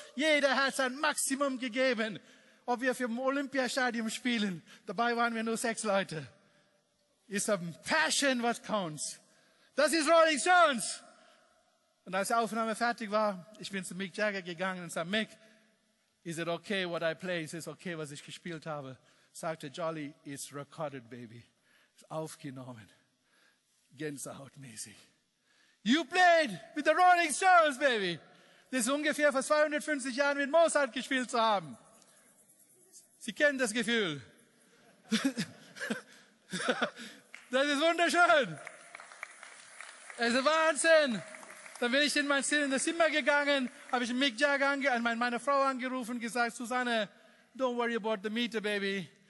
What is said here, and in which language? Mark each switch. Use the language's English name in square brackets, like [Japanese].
[German] Jeder hat sein Maximum gegeben. Ob wir für ein Olympiastadion spielen, dabei waren wir nur 6 Leute. Es ist ein Passion, was counts. Das ist Rolling Stones. Und als die Aufnahme fertig war, ich bin zu Mick Jagger gegangen und sagte, [English] Mick, is it okay what I play? Is it okay, [German] was ich gespielt habe? Sagte [English] Jolly, it's recorded, baby. It's aufgenommen. [German] Gänsehautmäßig. [English] You played with the Rolling Stones, baby. [German] Das ist ungefähr vor 250 Jahren mit Mozart gespielt zu haben. Sie kennen das Gefühl. Das ist wunderschön. Es ist Wahnsinn. Dann bin ich in mein Zimmer gegangen, habe ich Mick Jagger meine Frau angerufen und gesagt, Susanne, [English] don't worry about the meter, baby.